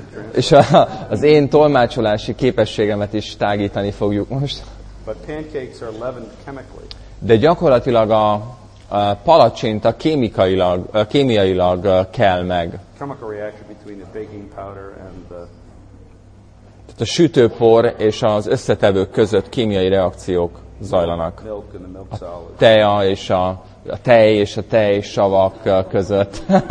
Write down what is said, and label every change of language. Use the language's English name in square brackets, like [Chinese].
[Hungarian] És az én tolmácsolási képességemet is tágítani fogjuk most. [English] But pancakes are leavened chemically. [Hungarian] De gyakorlatilag a palacsinta kémiailag kell meg. [English] Chemical reaction between the baking powder and the... [Hungarian] Tehát a sütőpor és az összetevők között kémiai reakciók zajlanak. [English] Milk and the milk solids. [Hungarian] A tej és a tej savak között.